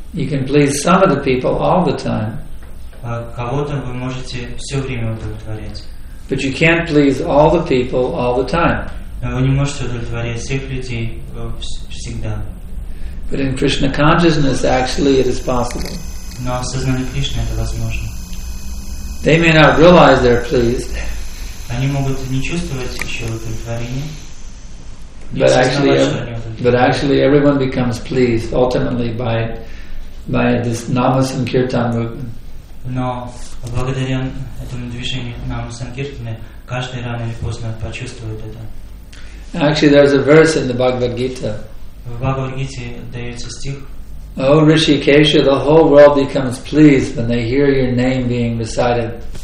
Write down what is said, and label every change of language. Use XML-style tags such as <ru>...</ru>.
<en>You can please some of the people all the time.</en> <ru>Кого-то вы можете все время удовлетворять.</ru> <en>But you can't please all the people all the time.</en> <ru>Вы не можете удовлетворять всех людей всегда.</ru> <en>But in Krishna consciousness, actually, it is possible.</en> <ru>Но в сознании Кришны это возможно.</ru> <en>They may not realize they're pleased.</en> <ru>Они могут не чувствовать еще удовлетворения.</ru> <en>But actually, everyone becomes pleased ultimately by this Nama Sankirtan movement.</en> <ru>Но благодаря этому движению Нама Санкиртаны каждый рано или поздно почувствует это.</ru> <en>Actually, there's a verse in the Bhagavad Gita.</en> <ru>В Бхагавад Гите дается стих.</ru> <en>O Rishikesha, the whole world becomes pleased when they hear your name being recited.</en>